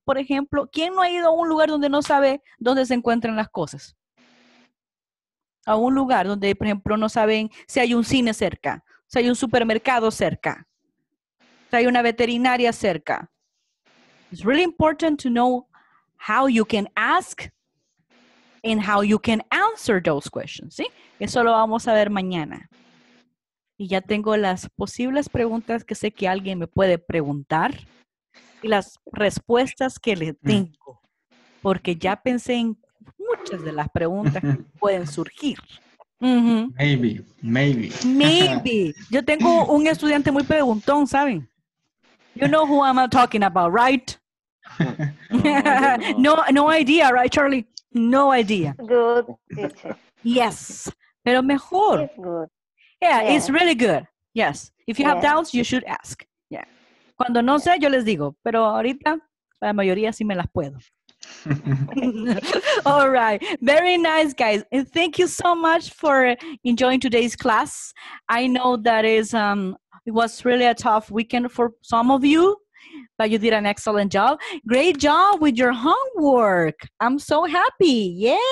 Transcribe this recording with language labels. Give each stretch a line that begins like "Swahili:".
Spanish: Por ejemplo, ¿quién no ha ido a un lugar donde no sabe dónde se encuentran las cosas? A un lugar donde, por ejemplo, no saben si hay un cine cerca, si hay un supermercado cerca, si hay una veterinaria cerca.
English: It's really important to know how you can ask and how you can answer those questions,
Spanish: ¿sí? Eso lo vamos a ver mañana. Y ya tengo las posibles preguntas que sé que alguien me puede preguntar. Y las respuestas que le tengo, porque ya pensé en muchas de las preguntas que pueden surgir.
English: Uh-huh. Maybe. Maybe.
Spanish: Yo tengo un estudiante muy preguntón, ¿saben?
English: You know who I'm talking about, right? No idea, right, Charlie? No idea. Good teacher. Yes.
Spanish: Pero mejor.
English: It's good. Yeah, it's really good. Yes. If you have doubts, you should ask.
Spanish: Cuando no sé, yo les digo. Pero ahorita, la mayoría sí me las puedo.
English: All right. Very nice, guys. And thank you so much for enjoying today's class. I know that is it was really a tough weekend for some of you, but you did an excellent job. Great job with your homework. I'm so happy.